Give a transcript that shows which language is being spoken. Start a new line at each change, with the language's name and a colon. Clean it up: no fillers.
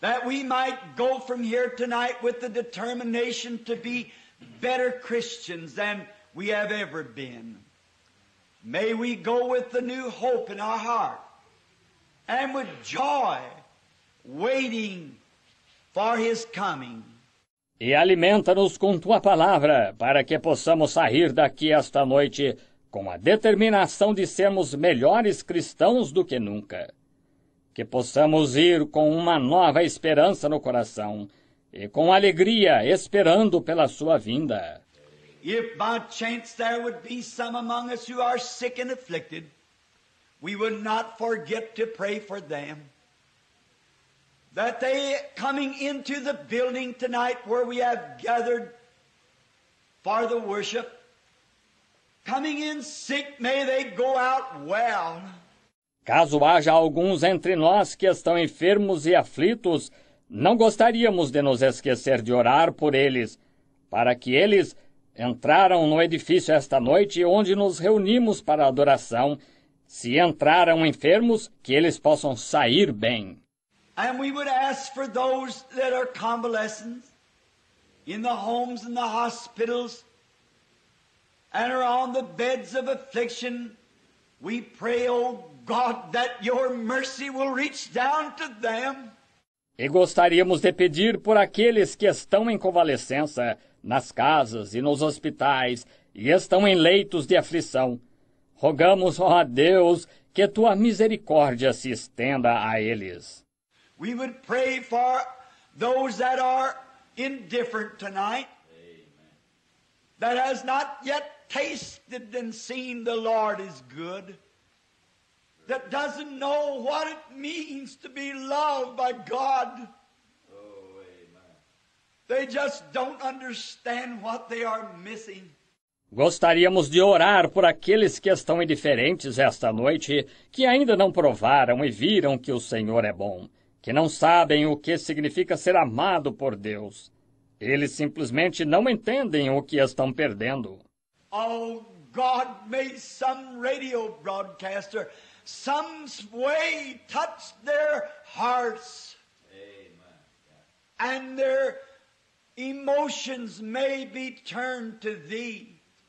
English: That we might go from here tonight with the determination to be better Christians than we have ever been. May we go with the new hope in our heart and with joy waiting for his coming.
Portuguese: E alimenta-nos com tua palavra para que possamos sair daqui esta noite com a determinação de sermos melhores cristãos do que nunca. Que possamos ir com uma nova esperança no coração e com alegria esperando pela sua vinda.
English: If by chance there would be some among us who are sick and afflicted, we would not forget to pray for them. That they coming into the building tonight where we have gathered for the worship, coming in sick, may they go out well.
Portuguese: Caso haja alguns entre nós que estão enfermos e aflitos, não gostaríamos de nos esquecer de orar por eles, para que eles entraram no edifício esta noite onde nos reunimos para adoração. Se entraram enfermos, que eles possam sair bem.
English: And we would ask for those that are convalescents in the homes and the hospitals and are on the beds of affliction. We pray, O God, that your mercy will reach down to them.
Portuguese: E gostaríamos de pedir por aqueles que estão em convalescença nas casas e nos hospitais e estão em leitos de aflição. Rogamos, ó Deus, que tua misericórdia se estenda a eles.
English: We would pray for those that are indifferent tonight. Amen. That has not yet tasted and seen the Lord is good. That doesn't know what it means to be loved by God. Oh, amen. They just don't understand what they are missing.
Portuguese: Gostaríamos de orar por aqueles que estão indiferentes esta noite, que ainda não provaram e viram que o Senhor é bom, que não sabem o que significa ser amado por Deus. Eles simplesmente não entendem o que estão perdendo.
English: Oh, God, may some radio broadcaster, some way touch their hearts. Amen. And their emotions may be turned to Thee.